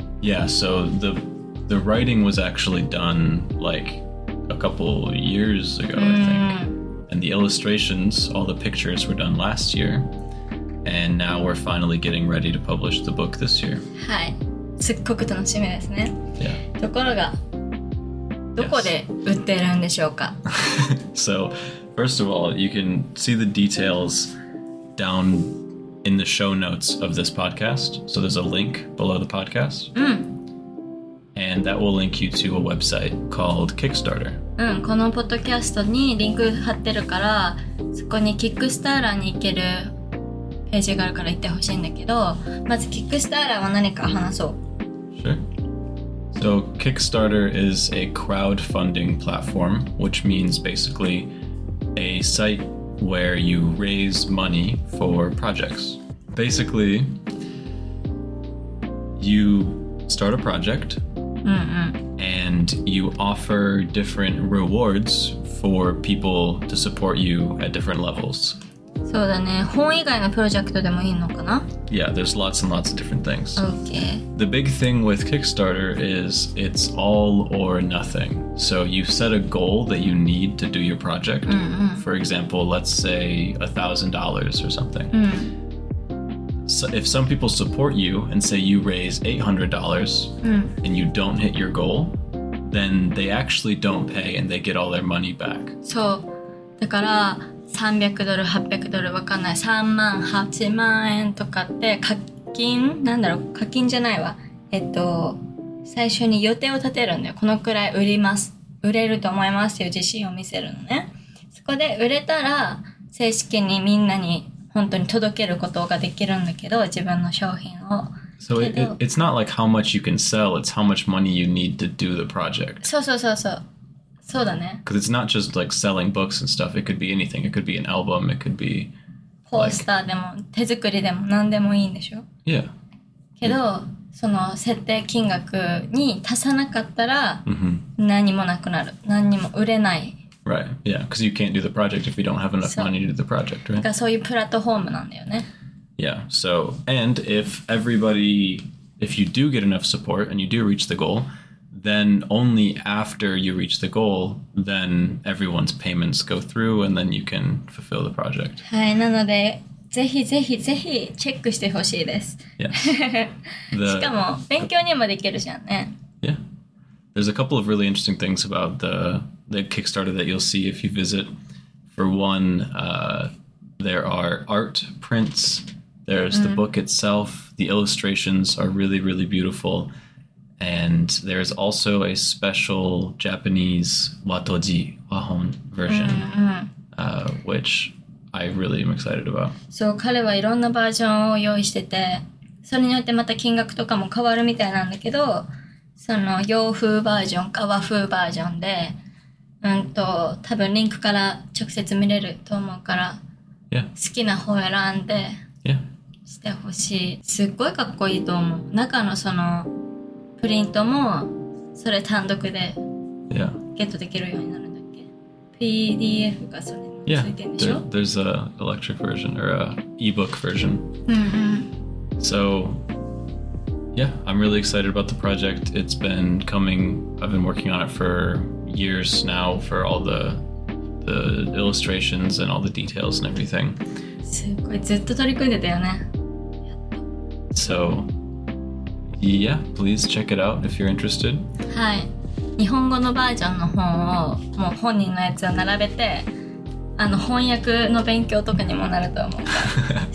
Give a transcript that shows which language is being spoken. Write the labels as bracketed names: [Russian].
[English] Yeah, so the writing was actually done like a couple years ago, I think. And the illustrations, all the pictures were done last year. And now we're finally getting ready to publish the book this year. [Japanese] はい。すっごく楽しみですね。 [English] Yeah. [Japanese] ところが、どこで売ってるんでしょうか? [English] So, first of all, you can see the details down in the show notes of this podcast. So there's a link below the podcast. And that will link you to a website called Kickstarter. [Japanese] このポッドキャストにリンク貼ってるから、そこにキックスターターに行けるページがあるから行ってほしいんだけど、まずキックスターターは何か話そう。 [English] So Kickstarter is a crowdfunding platform, which means basically a site where you raise money for projects. Basically, you start a project and you offer different rewards for people to support you at different levels. [Japanese] そうだね。本以外のプロジェクトでもいいのかな? [English] Yeah, there's lots and lots of different things. Okay. The big thing with Kickstarter is it's all or nothing. So you set a goal that you need to do your project. For example, let's say $1,000 or something. So if some people support you and say you raise $800 and you don't hit your goal, then they actually don't pay and they get all their money back. [Japanese] そう。だから300ドル、800ドル、わかんない。3万、8万円とかって課金、なんだろう、課金じゃないわ。最初に予定を立てるんだよ。このくらい売ります。売れると思いますっていう自信を見せるのね。そこで売れたら、正式にみんなに本当に届けることができるんだけど、自分の商品を。 [English] So it's not like how much you can sell, it's how much money you need to do the project. [Japanese] そうそうそうそう。そうだね。 [English] Because it's not just like selling books and stuff. It could be anything. It could be an album. It could be [Japanese] ポスターでも手作りでも何でもいいんでしょ? [English] Yeah. [Japanese] けど、その設定金額に足さなかったら何もなくなる。何にも売れない。 [English] Right. Yeah. Because you can't do the project if you don't have enough money to do the project, right? [Japanese] だからそういうプラットフォームなんだよね。 [English] Yeah. So, and if everybody, if you do get enough support and you do reach the goal,then only after you reach the goal, then everyone's payments go through and then you can fulfill the project. [Japanese] はい、なのでぜひぜひぜひチェックしてほしいです。 [English] Yes. [Japanese] しかも勉強にもできるじゃんね。 [English] Yeah. There's a couple of really interesting things about the Kickstarter that you'll see if you visit. For one, there are art prints. There's the book itself. The illustrations are really, really beautiful. And there's also a special Japanese Watoji, Wahon version, which I really am excited about. So, he has different versions of it. It's different from the price, but it's different from the Japanese version or Japanese version. Probably [Japanese] link から直接見れると思うから、 [English] yeah. [Japanese] 好きな方を選んで、 [English] yeah. [Japanese] してほしい。すっごいかっこいいと思う。中のそのプリントもそれ単独でゲットできるようになるんだっけ、 [English] yeah. [Japanese] PDF がそれについてるんでしょ、 [English] yeah. There's a electric version or a ebook version. So, yeah, I'm really excited about the project. It's been coming, I've been working on it for years now for all the illustrations and all the details and everything. [Japanese] すごい、ずっと取り組んでたよね。 [English] So,Yeah, please check it out if you're interested. [Japanese] はい。日本語のバージョンの本をもう本人のやつを並べて、あの翻訳の勉強とかにもなると思う。